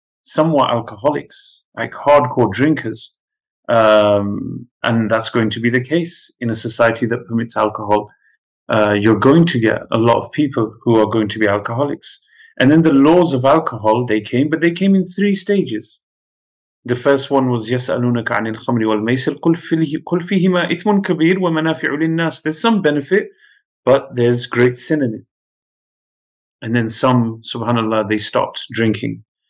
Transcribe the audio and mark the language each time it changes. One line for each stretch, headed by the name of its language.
English: Some were alcoholics, like hardcore drinkers. And that's going to be the case in a society that permits alcohol. You're going to get a lot of people who are going to be alcoholics. And then the laws of alcohol, they came, but they came in three stages. The first one was
Arabic: يسألونك عن الخمر والميسر قل فيهما إثم كبير ومنافع للناس.
English: There's some benefit, but there's great sin in it. And then some, subhanAllah, they stopped drinking.